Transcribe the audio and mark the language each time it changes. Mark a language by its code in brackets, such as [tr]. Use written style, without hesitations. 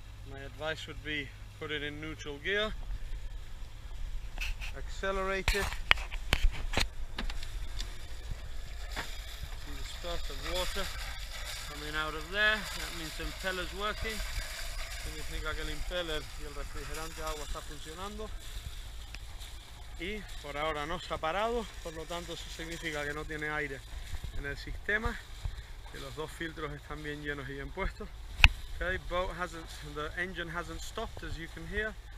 [en] My advice would be put it in neutral gear, accelerate it. See the spurt of water coming out of there, that means the impeller's working. [es] Significa que el impeller y el refrigerante de agua está funcionando. Y por ahora no está parado, por lo tanto eso significa que no tiene aire en el sistema. Que los dos filtros están bien llenos y bien puestos. [en] Okay, the engine hasn't stopped, as you can hear.